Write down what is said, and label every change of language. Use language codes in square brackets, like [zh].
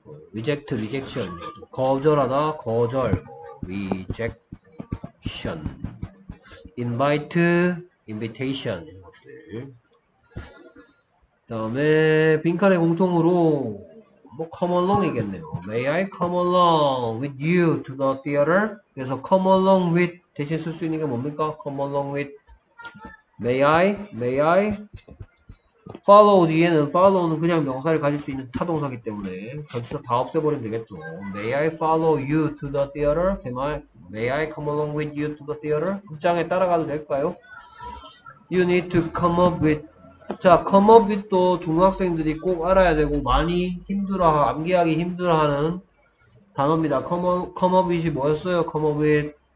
[en] reject, rejection. [ko] 거절하다, 거절. [en] reject, invite, invitation. [ko] 이런 것들. 그 다음에, 빈칸의 공통으로, 뭐 come along이겠네요. [en] May I come along with you to the theater? [ko] 그래서 come along with 대신 쓸 수 있는 게 뭡니까? [en] Come along with. May I? [ko] Follow 뒤에는 follow는 그냥 명사를 가질 수 있는 타동사기 때문에 전치사 다 없애버리면 되겠죠. [en] May I follow you to the theater? May I come along with you to the theater? [ko] 극장에 따라가도 될까요? [en] You need to come up with. [ko] 자, come up with도 중학생들이 꼭 알아야 되고 많이 힘들어, 암기하기 힘들어하는 단어입니다. [en] Come up with이 [ko] 뭐였어요? [en] Come up with.